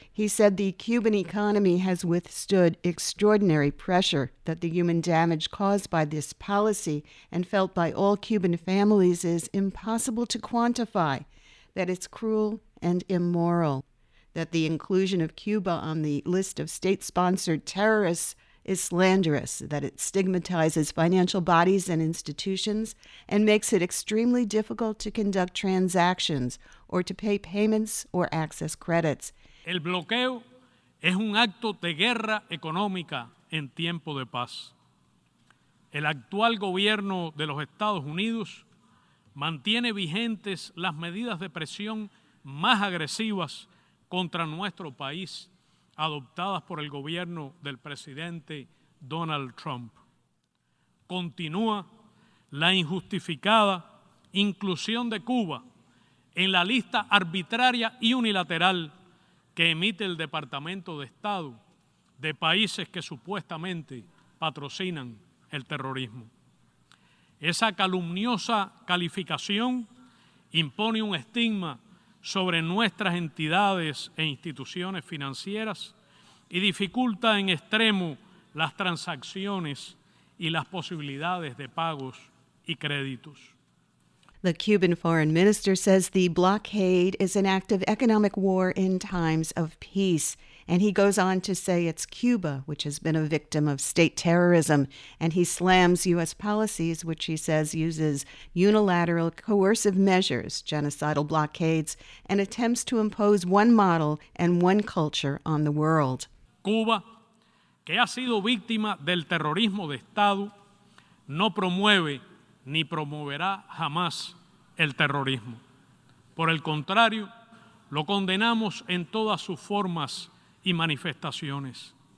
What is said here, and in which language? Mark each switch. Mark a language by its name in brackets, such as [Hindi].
[English] He said the Cuban economy has withstood extraordinary pressure, that the human damage caused by this policy and felt by all Cuban families is impossible to quantify, that it's cruel and immoral, that the inclusion of Cuba on the list of state-sponsored terrorists is slanderous, that it stigmatizes financial bodies and institutions and makes it extremely difficult to conduct transactions or to pay payments or access credits. [Spanish] El bloqueo es un acto de guerra económica en tiempo de paz. El actual gobierno de los Estados Unidos mantiene vigentes las medidas de presión más agresivas contra nuestro país adoptadas por el gobierno del presidente Donald Trump. Continúa la injustificada inclusión de Cuba en la lista arbitraria y unilateral que emite el Departamento de Estado de países que supuestamente patrocinan el terrorismo. Esa calumniosa calificación impone un estigma sobre nuestras entidades e instituciones financieras y dificulta en extremo las transacciones y las posibilidades de pagos y créditos. [English] The Cuban foreign minister says the blockade is an act of economic war in times of peace. And he goes on to say it's Cuba, which has been a victim of state terrorism. And he slams U.S. policies, which he says uses unilateral coercive measures, genocidal blockades, and attempts to impose one model and one culture on the world. [Spanish] Cuba, que ha sido víctima del terrorismo de Estado, no promueve ni promoverá jamás el terrorismo. Por el contrario, lo condenamos en todas sus formas y manifestaciones.